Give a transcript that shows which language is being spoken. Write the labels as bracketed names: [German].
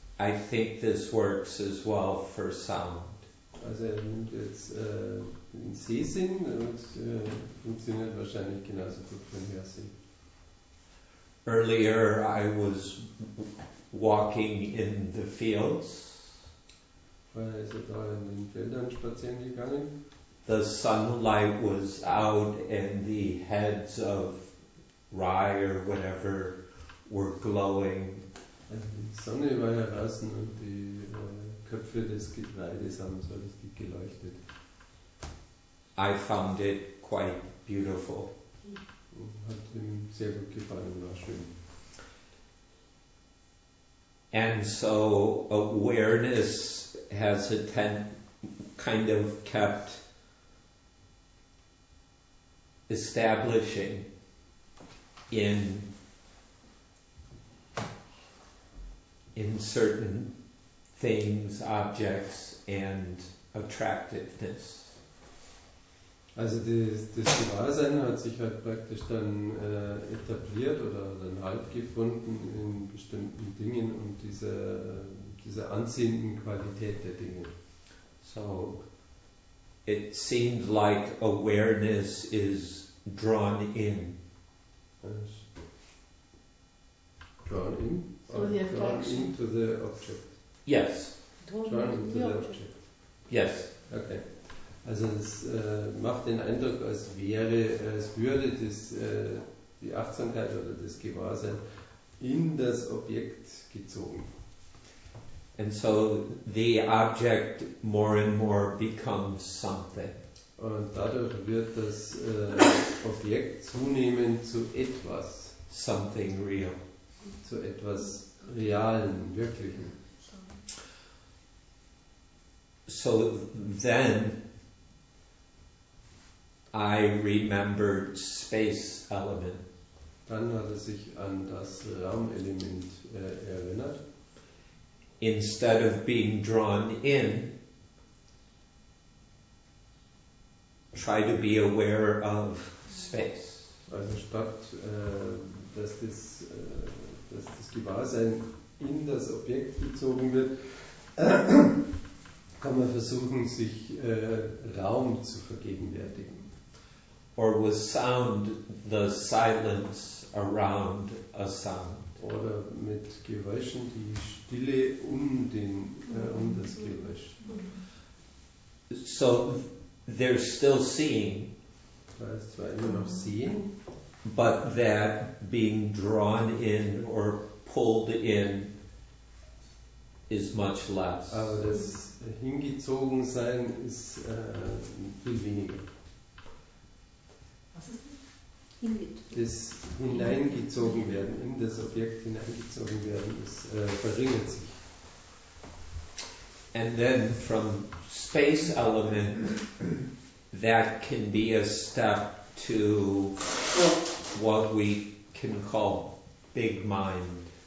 [English] I think this works as well for sound. [German] Also er nimmt jetzt den Sehsinn und funktioniert wahrscheinlich genauso gut für den Hörsinn. [English] Earlier I was walking in the fields. [German] Vorher ist er da in den Feldern spazieren gegangen. [English] The sunlight was out and the heads of rye or whatever were glowing. [German] Die Sonne war draußen und die Köpfe des Getreides haben so richtig geleuchtet. [English] I found it quite beautiful. [German] Hat ihm sehr gut gefallen, war schön. [English] And so awareness has a kind of kept establishing in certain things, objects, and attractiveness. [German] Also das Gewahrsein hat sich halt praktisch dann etabliert oder dann Halt gefunden in bestimmten Dingen und diese anziehenden Qualität der Dinge. [English] So, it seemed like awareness is drawn in. Drawn in? Drawn into the object. Yes. Drawn into the object. Yes. Okay. [German] Also es macht den Eindruck, als würde die Achtsamkeit oder das Gewahrsein in das Objekt gezogen. [English] And so the object more and more becomes something. [German] Und dadurch wird das Objekt zunehmend zu etwas. [English] Something real. [German] Zu etwas Realen, Wirklichen. [English] So then I remembered space element. [German] Dann hat er sich an das Raumelement erinnert. [English] Instead of being drawn in, try to be aware of space. [German] Also statt dass das Gewahrsein in das Objekt gezogen wird, kann man versuchen, sich Raum zu vergegenwärtigen. [English] Or with sound, the silence around a sound. [German] Oder mit Geräuschen, die Stille um das Geräusch. [English] So they're still seeing. [German] Da ist zwar immer noch sehen. [English] But that being drawn in or pulled in is much less. [German] Aber das hingezogen sein ist viel weniger. Das hineingezogen werden, in das Objekt hineingezogen werden, das verringert sich. [English] And then from space element, that can be a step to what we can call big mind.